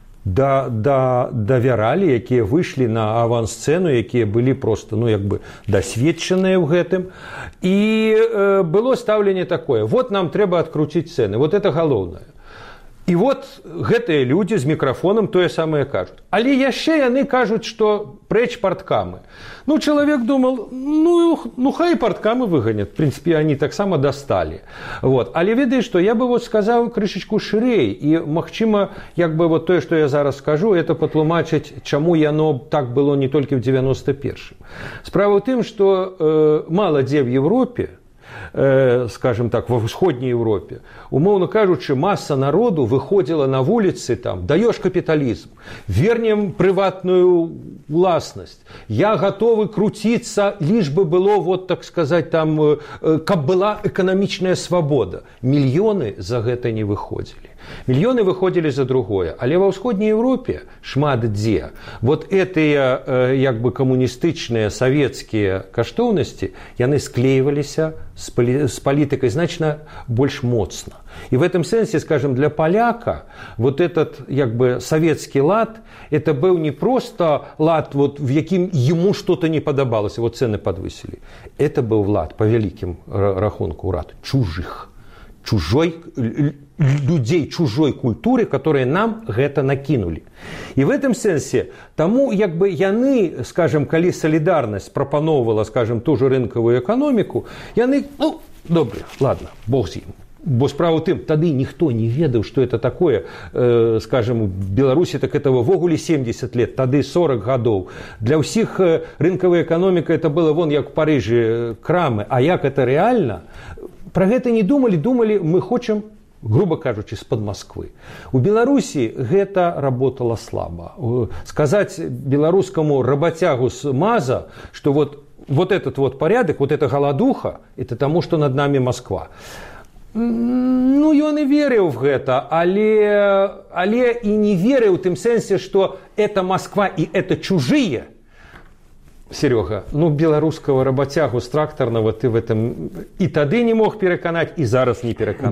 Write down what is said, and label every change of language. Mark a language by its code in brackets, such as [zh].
[be] давяралі, якія выйшлі на авансцэну, якія былі проста, ну, як бы дасведчаныя ў гэтым. І было стаўленне такое: вот нам трэба адкруціць цэны, вот это галоўнае. І вот гэтыя людзі з мікрафонам тое самае кажуць. Але яшчэ яны кажуць, што прэч парткамы. Ну, чалавек думал, ну хай парткамы выганят. [ru] В принципе, они [be] таксама дасталі. [ru] Вот. [be] Але ведаеш, што я бы вот сказаў крышачку шырэй. І, магчыма, як бы вот тое, што я зараз скажу, это патлумачыць, чаму яно так было не толькі ў 91-м. Справа ў тым, што мала дзе ў Европе, [ru] скажем так, во Всходней Европе, умовно кажучи, масса народу выходила на улицы, там, даешь капитализм, вернем приватную власность, я готовы крутиться, лишь бы было, вот так сказать, там, как была экономичная свобода. Миллионы за это не выходили. Миллионы выходили за другое. Але во Всходней Европе шмат где. Вот эти, как бы, коммунистичные советские каштовности, яны склеивалися с политикой значительно [be] больш моцна. И в этом сэнсе, скажем, для поляка вот этот, як бы, савецкі лад, это быў не просто лад, вот, в якім ему [ru] что-то не падабалася, [be] вот цены падвысілі. Это быў лад, па вялікім рахунку, лад чужых, чужой людзей, чужой культуры, которые нам гэта накінулі. І в этом сэнсе, таму, як бы, яны, скажем, калі салідарнасць прапановывала, скажем, ту же рынкавую эканоміку, яны, ну, добре, ладно, бог з ім. Бо справа ў тым, тады ніхто не ведаў, што это такое, скажем, у Беларусі так гэта ўвогуле 70 лет, тады 40 гадоў. Для ўсіх рынкавая эканоміка это было вон як у Парыжы крамы, а як это рэальна? Пра гэта не думалі, думалі, мы хочам, грубо кажучы, з-пад Москвы. У Беларусі гэта работала слаба. Сказаць беларускаму работягу з МАЗа, што вот, вот этот вот порядок, вот эта галадуха, это таму, што над намі Москва. Ну, ён і верыў в гэта, але і не верыў у тым сэнсе, што это Москва і это чужыя. Серёга, ну, беларускага работягу з тракторнага ты в этом і тады не мог пераканаць, і зараз не пераканаць.